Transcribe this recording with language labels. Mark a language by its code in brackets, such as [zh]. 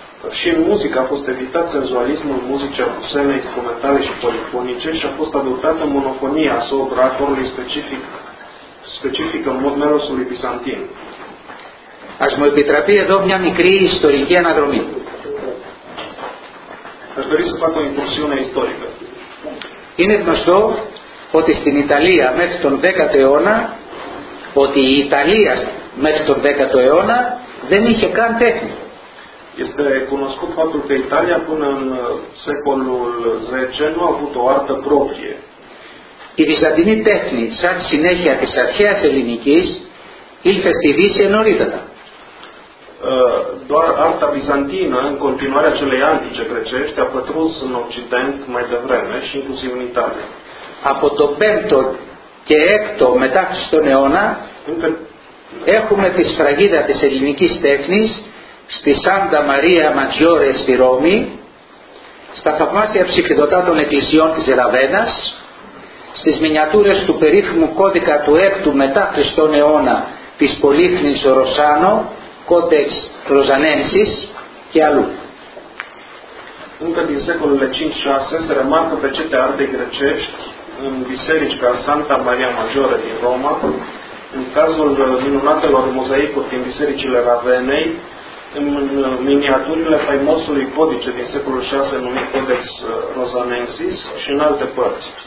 [ro] Și în muzică a fost evitat senzualismul muzicii cu semne instrumentale și polifonice și a fost adoptată monofonia asupra acordului specific în mod melosului bizantin. [el] Aș mă epitrapi edo mea micri istorici anadromi. [ro] Aș dori să fac o incursiune istorică. [el] Είναι γνωστό ότι στην Ιταλία μέχρι τον 10ο αιώνα ότι η Ιταλία μέχρι τον 10ο αιώνα δεν είχε καν τέχνη. [ro] Este cunoscut faptul că Italia până în secolul 10 nu a avut o artă proprie. [el] Η βυζαντινή τέχνη, σαν συνέχεια της αρχαίας ελληνικής, ήλθε στη Δύση νωρίτερα. [ro] Doar arta bizantină, în continuarea celei antice grecești, a pătruns în Occident mai devreme și inclusiv în Italia. [el] Από το 5ο και 6ο μετά Χριστόν αιώνα, έχουμε τη σφραγίδα της ελληνικής τέχνης στη Σάντα Μαρία Ματζιόρε στη Ρώμη, στα θαυμάσια ψηφιδωτά των εκκλησιών της Ραβένας, στις μινιατούρες του περίφημου κώδικα του 6ου μετά Χριστόν αιώνα της Πολύθνης Ροσάνο, Κότεξ Ροζανένσης και αλλού. [ro] Încă din secolele 5-6 se remarcă pe cete arde grecești în biserica Santa Maria Maggiore din Roma, în cazul minunatelor mozaicuri din bisericile Ravenei, în miniaturile faimosului codice din secolul 6 numit Codex Rosanensis și în alte părți.